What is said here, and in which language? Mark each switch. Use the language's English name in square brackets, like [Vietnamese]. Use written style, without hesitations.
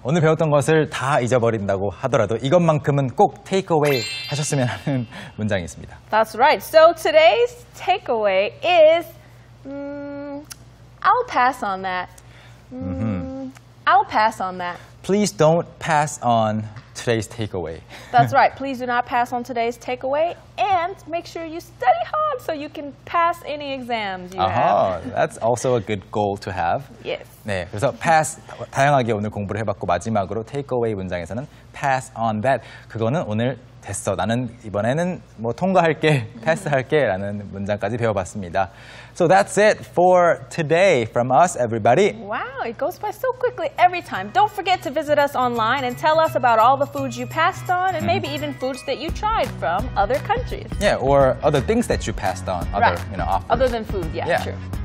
[Korean] 오늘 배웠던 것을 다 잊어버린다고 하더라도 이것만큼은 꼭 takeaway 하셨으면 하는 문장이 있습니다. [English] That's right. So today's takeaway is I'll pass on that. I'll pass on that. Please don't pass on today's takeaway. That's right. Please do not pass on today's takeaway. And make sure you study hard so you can pass any exams you have. That's also a good goal to have. Yes. [Korean] 네, 그래서 pass, 다양하게 오늘 공부를 해봤고 마지막으로 takeaway 문장에서는 pass on that. 그거는 오늘 됐어. 나는 이번에는 뭐 통과할게, 패스할게 라는 문장까지 배워봤습니다. [English] So that's it for today from us, everybody. Wow, it goes by so quickly every time. Don't forget to visit us online and tell us about all the foods you passed on and maybe even foods that you tried from other countries. Yeah, or other things that you passed on, other, right. You know, offers. Other than food, yeah, yeah, true.